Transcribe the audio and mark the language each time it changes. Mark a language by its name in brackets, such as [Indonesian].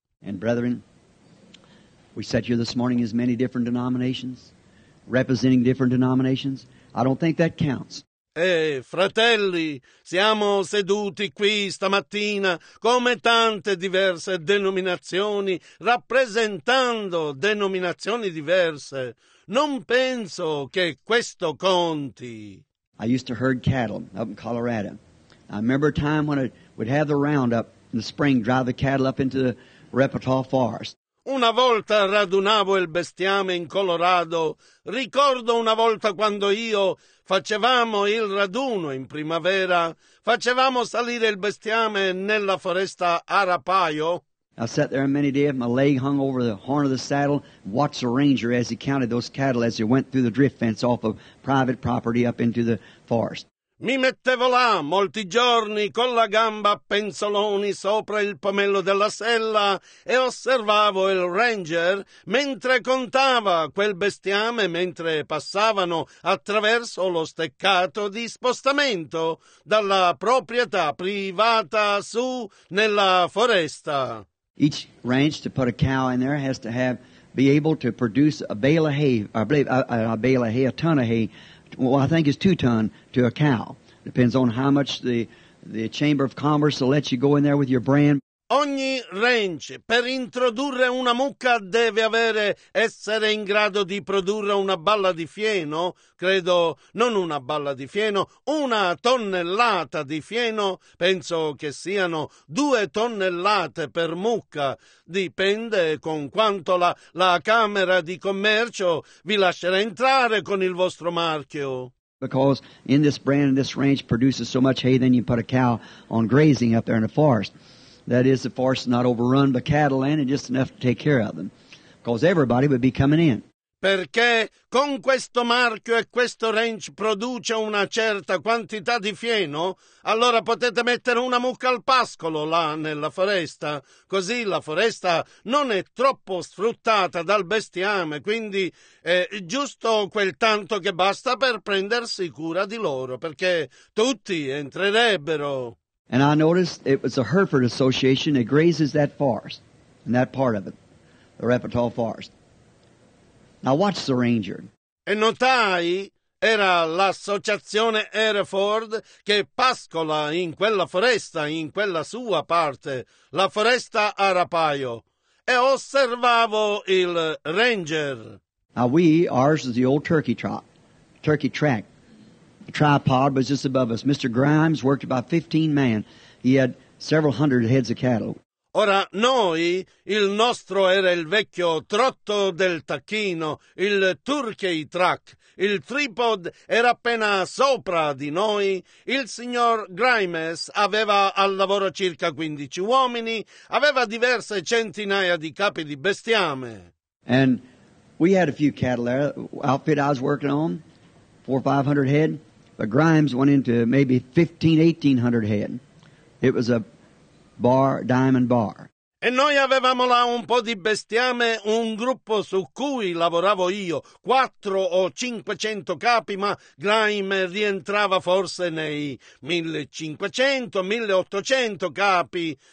[English] And brethren, we sat here this morning as many different denominations, representing different denominations. I don't think that counts. [Italian] Fratelli, siamo seduti qui stamattina come tante diverse denominazioni, rappresentando denominazioni diverse. Non penso che questo conti. [English] I used to herd cattle up in Colorado. I remember a time when I would have the roundup in the spring, drive the cattle up into the repertoire forest. [Italian] Una volta radunavo il bestiame in Colorado. Ricordo una volta quando io facevamo il raduno in primavera. Facevamo salire il bestiame nella foresta Arapaio. [English] I sat there many days, my leg hung over the horn of the saddle, watched the ranger as he counted those cattle as they went through the drift fence off of private property up into the forest. [Italian] Mi mettevo là molti giorni con la gamba a penzoloni sopra il pomello della sella e osservavo il ranger mentre contava quel bestiame mentre passavano attraverso lo steccato di spostamento dalla proprietà privata su nella foresta. [English] Each ranch to put a cow in there has to have be able to produce a bale of hay, or a bale of hay, a ton of hay. Well, I think it's 2 ton to a cow. Depends on how much the Chamber of Commerce will let you go in there with your brand. [Italian] Ogni ranch per introdurre una mucca deve avere essere in grado di produrre una balla di fieno, credo, non una balla di fieno, una tonnellata di fieno, penso che siano 2 tonnellate per mucca, dipende con quanto la Camera di Commercio vi lascerà entrare con il vostro marchio. [English] Because in this brand, this ranch produces so much hay, then you put a cow on grazing up there in the forest. That is, the forest not overrun by cattle and just enough to take care of them, because everybody would be coming in. [Italian] Perché con questo marchio e questo ranch produce una certa quantità di fieno, allora potete mettere una mucca al pascolo là nella foresta. Così la foresta non è troppo sfruttata dal bestiame, quindi è giusto quel tanto che basta per prendersi cura di loro, perché tutti entrerebbero. [English] And I noticed it was a Hereford Association that grazes that forest, and that part of it, the Repertoire Forest. Now watch the ranger. [Italian] E notai, era l'associazione Hereford che pascola in quella foresta, in quella sua parte, la foresta Arapaio. E osservavo il ranger. [English] Now we, ours is the old turkey track. A tripod was just above us. Mr. Grimes worked about 15 men. He had several hundred heads of cattle. [Italian] Ora noi, il nostro era il vecchio trotto del tacchino, il turkey track. Il tripod era appena sopra di noi. Il signor Grimes aveva al lavoro circa 15 uomini, aveva diverse centinaia di capi di bestiame. [English] And we had a few cattle there, outfit I was working on, 400-500 head. But Grimes went into maybe 1,500-1,800 head. It was a bar, diamond bar. [Italian] E noi avevamo là un po' di bestiame, un gruppo su cui lavoravo io, 400 o 500 capi, ma Grimes rientrava forse nei 1,500-1,800 capi.